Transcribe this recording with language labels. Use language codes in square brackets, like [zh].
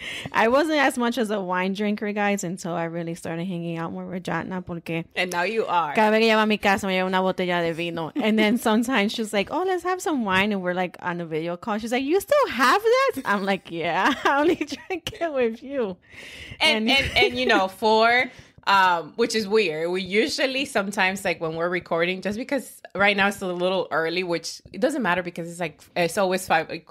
[en] I wasn't as much as a wine drinker, guys, until I really started hanging out more with Jana, [es] porque... [en] And now you are. [es] Cada vez que lleva a mi casa, me lleva una botella de vino. [en] And then sometimes she's like, oh, let's have some wine. And we're like on a video call. She's like, you still have that? I'm like, yeah, I only drink it with you. And you know, which is weird. We usually sometimes, like, when we're recording, just because right now it's a little early, which it doesn't matter because it's, like, it's always 5.